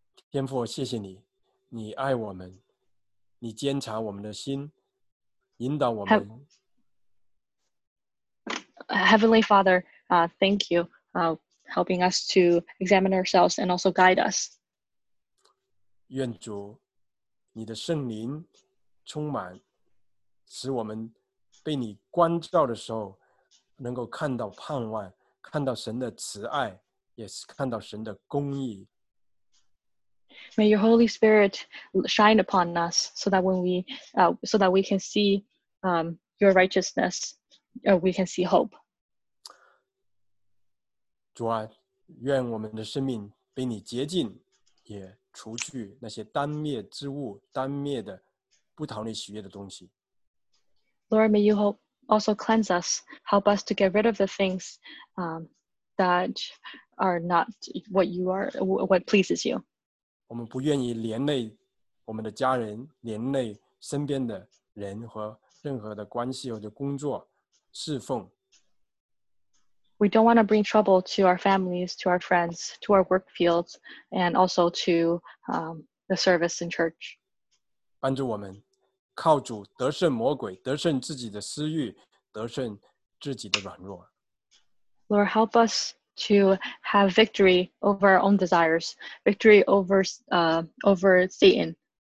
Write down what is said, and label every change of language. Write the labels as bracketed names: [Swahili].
[Chinese] 天父，谢谢你，你爱我们，你监察我们的心，引导我们。 [English] Heavenly Father, thank you, helping us to examine ourselves and also guide us. [Chinese] 愿主，你的圣灵充满，使我们被你光照的时候，能够看到盼望，看到神的慈爱，也是看到神的公义。 [English] May your Holy Spirit shine upon us so that we can see your righteousness, we can see hope. [Chinese] 主啊，愿我们的生命被你洁净，也除去那些单灭之物，单灭的不讨你喜悦的东西。 [English] Lord, may you also cleanse us, help us to get rid of the things that are not what pleases you. [Chinese] 我们不愿意连累我们的家人，连累身边的人和任何的关系或者工作侍奉。 [English] We don't want to bring trouble to our families, to our friends, to our work fields, and also to the service in church. [Chinese] 帮助我们靠主得胜魔鬼，得胜自己的私欲，得胜自己的软弱。 [English] Lord, help us to have victory over our own desires, victory over Satan.